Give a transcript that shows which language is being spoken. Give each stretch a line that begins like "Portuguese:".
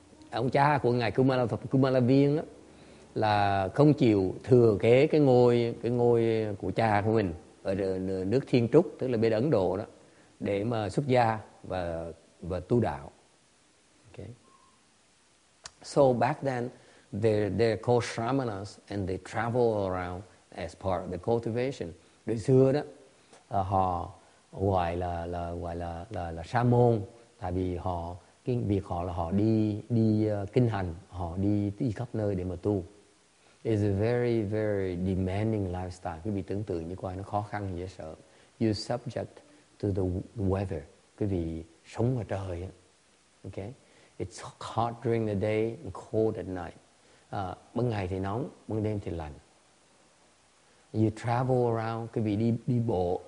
Vietnamese: Ông cha của ngài Kumaravim là không chịu thừa kế cái ngôi của cha của mình ở nước Thiên Trúc, tức là bên Ấn Độ đó, để mà xuất gia và tu đạo.
English: Okay. So back then, they're called shramanas and they travel around as part of the cultivation.
Vietnamese: Đời xưa đó, họ gọi là sa môn, tại vì họ cái việc họ là họ đi kinh hành, họ đi khắp nơi để mà tu.
English: It's a very very demanding lifestyle.
Vietnamese: Quý vị tưởng tượng như coi nó khó khăn dễ sợ.
English: You subject to the weather,
Vietnamese: quý vị sống ngoài trời.
English: Okay, it's hot during the day and cold at night.
Vietnamese: Ban ngày thì nóng, ban đêm thì lạnh.
English: You travel around,
Vietnamese: quý vị đi bộ.